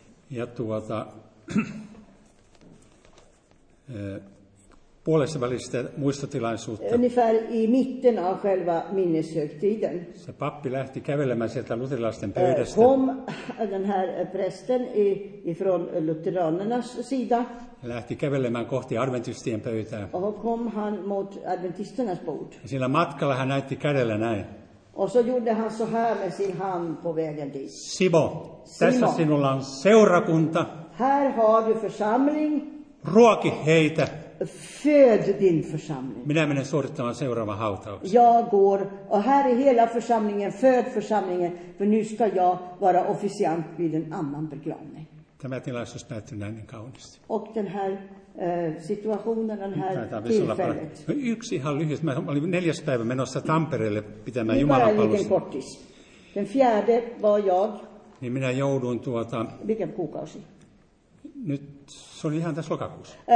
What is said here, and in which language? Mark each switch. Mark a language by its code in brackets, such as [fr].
[fi] Ja puolessa välistä muistotilaisuutta. [sv] Ungefär i mitten av själva minneshögtiden. [fi] Se pappi lähti kävelemään sieltä luterilaisten pöydästä. [sv] Kom den här prästen ifrån lutheranernas sida. [fi] Lähti kävelemään kohti adventistien pöytää. [sv] Och kom han mot adventisternas bord. [fi] Ja sillä matkalla hän näytti kädellä näin. [sv] Och så gjorde han så här med sin hand på vägen dit. [fi] Simo, tässä sinulla on seurakunta. [sv] Här har du församling. [fi] Ruoki heitä. [sv] Föd din församling. [fi] Minä menen suorittamaan seuraavan hautauksen. [sv] Jag går, och här är hela församlingen, föd församlingen, för nu ska jag vara officiant vid en annan begravning. [fi] Tämä tilaisuus näyttyy näin niin kauniisti. [sv] Och den här situationen, den här tillfället. [fi] Yksi ihan lyhyesti. Mä olin neljäs päivä menossa Tampereelle pitämään jumalanpalvelusta. [sv] Kortis. Den fjärde var jag. [fi] Niin minä jouduin tuota... Mikä kuukausi? Nyt se oli ihan tässä lokakuussa.